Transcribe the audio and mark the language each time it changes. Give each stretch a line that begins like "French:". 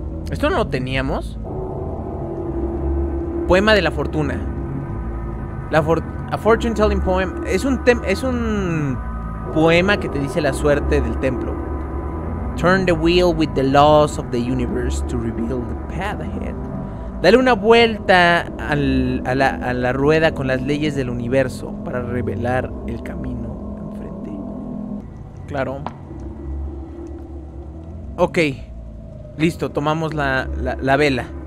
Spanish: ¿Esto no lo teníamos? Poema de la fortuna.
English: A fortune telling poem.
Spanish: Es un poema que te dice la suerte del templo.
English: Turn the wheel with the laws of the universe to reveal the path ahead.
Spanish: Dale una vuelta a la rueda con las leyes del universo para revelar el camino enfrente. Claro. Ok. Listo, tomamos la vela.